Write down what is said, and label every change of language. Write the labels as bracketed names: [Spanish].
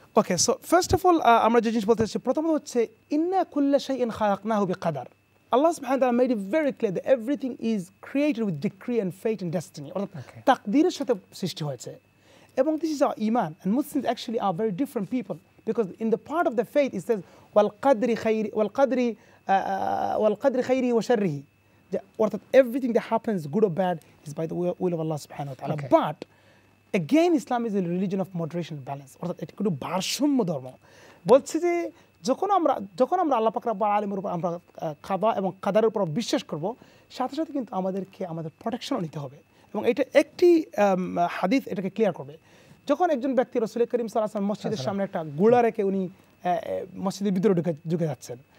[English] okay so first of all [Bangla] আমরা যে জিনিস বলতে চাচ্ছি প্রথমত হচ্ছে [Arabic] ইন্না কুল্লা শাইইন খালাকনাহু বিকাদার [English] Allah সুবহানাহু ওয়া তাআলা made it very clear that everything is created with decree and fate and destiny [Bangla] অর্থাৎ তাকদীরের সাথে সৃষ্টি হয়েছে এবং [English] this is our ঈমান and Muslims actually are very different people because in the part of the faith it says [Arabic] ওয়াল কাদরি খাইরি ওয়া শাররিহি [English] That everything that happens, good or bad, is by the will of Allah subhanahu wa ta'ala. Okay. But again, Islam is a religion of moderation and balance. Or that it could be barshum dharma. [Bangla] বলছি যে যখন আমরা আল্লাহ পাক রব্বুল আলামিনের উপর আমরা কাদা এবং কাদারের উপর বিশ্বাস করব সাথে সাথে কিন্তু আমাদেরকে আমাদের প্রোটেকশনও নিতে হবে এবং এটা একটি হাদিস এটাকে ক্লিয়ার করবে যখন একজন ব্যক্তি রসুল করিম সাল্লাল্লাহু আলাইহি মসজিদের সামনে একটা গোলা রেখে উনি মসজিদের ভিতরে ঢুকে যাচ্ছেন